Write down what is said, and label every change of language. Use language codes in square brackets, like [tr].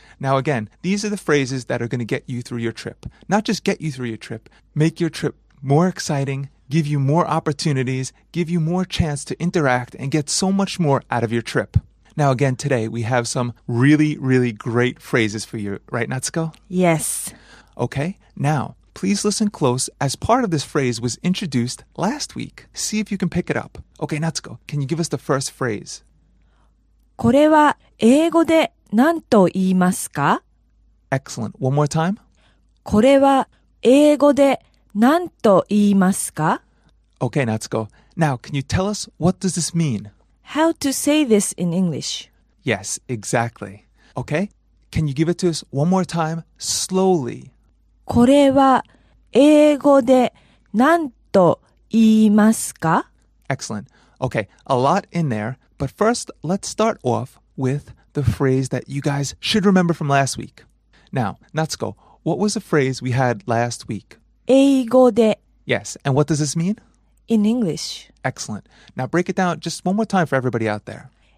[en] Now, again, these are the phrases that are going to get you through your trip. Not just get you through your trip, make your trip more exciting, give you more opportunities, give you more chance to interact and get so much more out of your trip. Now, again, today we have some really, really great phrases for you. Right, Natsuko? Yes. Okay. Now, please listen close as part of this phrase was introduced last week. See if you can pick it up. Okay, Natsuko, can you give us the first phrase? [ja] これは英語で何と言いますか? [en] Excellent. One more time. [ja] これは英語で何と言いますか? [en] Okay, Natsuko. Now, can you tell us what does this mean? How to say this in English? Yes, exactly. Okay. Can you give it to us one more time, slowly? [ja] これは英語で何と言いますか? [en] Excellent. Okay, a lot in there. But first, let's start off with the phrase that you guys should remember from last week. Now, Natsuko, what was the phrase we had last week? [ja] 英語で. [en] Yes, and what does this mean? In English. Excellent. Now, break it down just one more time for everybody out there.